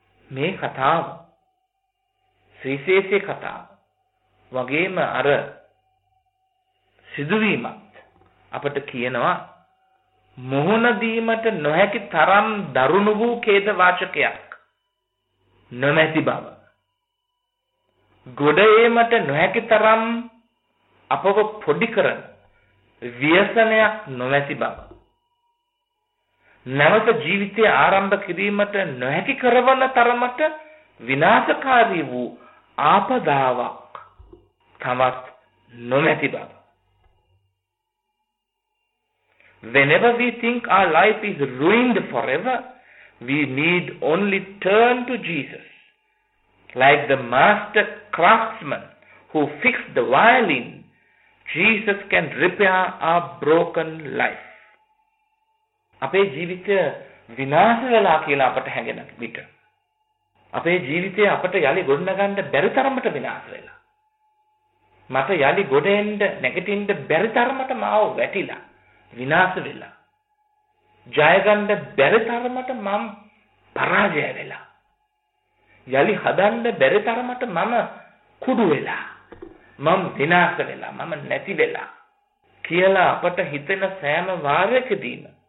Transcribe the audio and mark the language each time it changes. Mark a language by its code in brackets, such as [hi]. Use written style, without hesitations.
[si] මේ කතාව සවිශේෂී කතාව වගේම අර සිදුවීමත් අපට කියනවා මොහොන දීමට නොහැකි තරම් දරුණු වූ ඛේද වාචකයක් නොමැති බව ගොඩ ඒමට නොහැකි තරම් අපව පොඩි කරන ව්‍යසනයක් නොමැති බව නැවත ජීවිතය ආරම්භ කිරීමට නොහැකි කරවන තරමට විනාශකාරී වූ ආපදාවක් තමත් නොමැති බව. [en] Whenever we think our life is ruined forever, we need only turn to Jesus. Like the master craftsman who fixed the violin, Jesus can repair our broken life. [si] අපේ ජීවිතය විනාශ වෙලා කියලා අපට හැඟෙන විට අපේ ජීවිතය අපට යලි ගොඩනගන්න බැරි තරමට විනාශ වෙලා මට යලි ගොඩෙන්ඩ නැගිටින්න බැරි තරමට මාව වැටිලා විනාශ වෙලා ජයගන්න බැරි තරමට මම පරාජය වෙලා යලි හදන්න බැරි තරමට මම කුඩු වෙලා මම විනාශ වෙලා මම නැති වෙලා කියලා අපට හිතෙන සෑම වාරයකදීම